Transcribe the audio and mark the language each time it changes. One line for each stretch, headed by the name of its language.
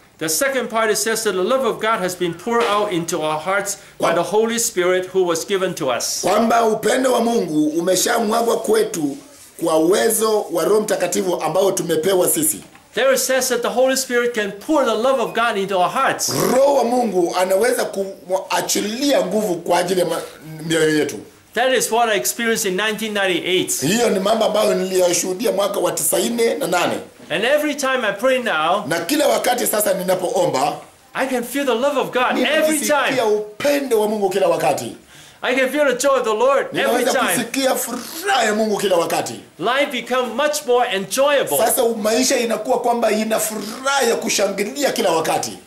English: The second part it says that the love of God has been poured out into our hearts by the Holy Spirit who was given to us.
Swahili: Kwamba upendo wa Mungu umeshamwagwa kwetu kwa uwezo wa Roho Mtakatifu ambao tumepewa sisi.
English: There it says that the Holy Spirit can pour the love of God into our hearts.
Swahili: Roho wa Mungu anaweza kuachilia nguvu kwa ajili ya mioyo yetu.
English: That is what I experienced in 1998.
Swahili: Hiyo ni mambo ambayo niliyashuhudia mwaka wa 98.
English: And every time I pray now,
Swahili: na kila wakati sasa ninapoomba,
English: I can feel the love of God every time.
Swahili: Ninasikia upendo wa Mungu kila wakati.
English: I can feel the joy of the Lord every time.
Swahili: Ninasikia furaha ya Mungu kila wakati.
English: Life becomes much more enjoyable.
Swahili: Sasa maisha inakuwa kwamba ina furaha ya kushangilia kila wakati.